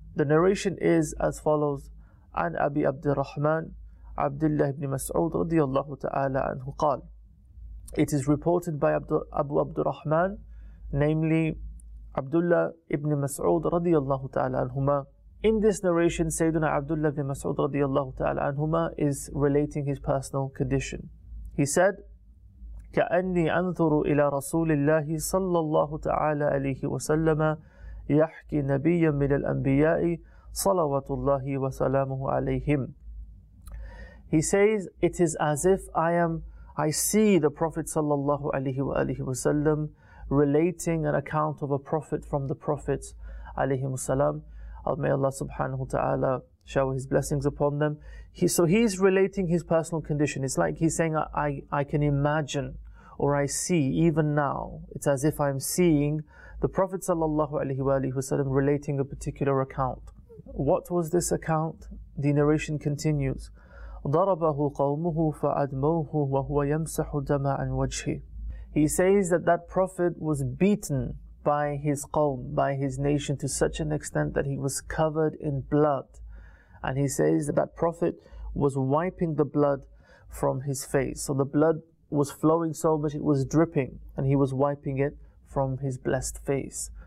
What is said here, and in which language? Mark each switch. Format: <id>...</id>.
<en>The narration is as follows. An Abi Abdurrahman, Abdullah ibn Mas'ud radiyallahu ta'ala anhu qal. It is reported by Abu Abdurrahman, namely Abdullah ibn Mas'ud radiyallahu ta'ala anhuma. In this narration, Sayyidina Abdullah ibn Mas'ud radiyallahu ta'ala anhuma is relating his personal condition. He said,</en> <ar>كأني أنظر إلى رسول الله صلى الله تعالى عليه وسلم يحكي نبيا من الأنبياء صلوات الله وسلامه عليهم.</ar> <en>He says, it is as if I see the Prophet</en> <ar>صلى الله عليه وآله وسلم</ar> <en>relating an account of a prophet from the prophets</en> <ar>عليه وسلم.</ar> <en>May Allah subhanahu ta'ala shower his blessings upon them. He's relating his personal condition. It's like he's saying, I can imagine, or I see even now, it's as if I'm seeing the Prophet sallallahu alayhi wa alihi wasallam relating a particular account. What was this account? The narration continues.</en> <ar>ضربه قومه فأدموه وهو يمسح دم عن وجهه.</ar> <en>He says that Prophet was beaten by his qawm, by his nation, to such an extent that he was covered in blood. And he says that Prophet was wiping the blood from his face. So the blood was flowing so much, it was dripping, and he was wiping it from his blessed face.</en>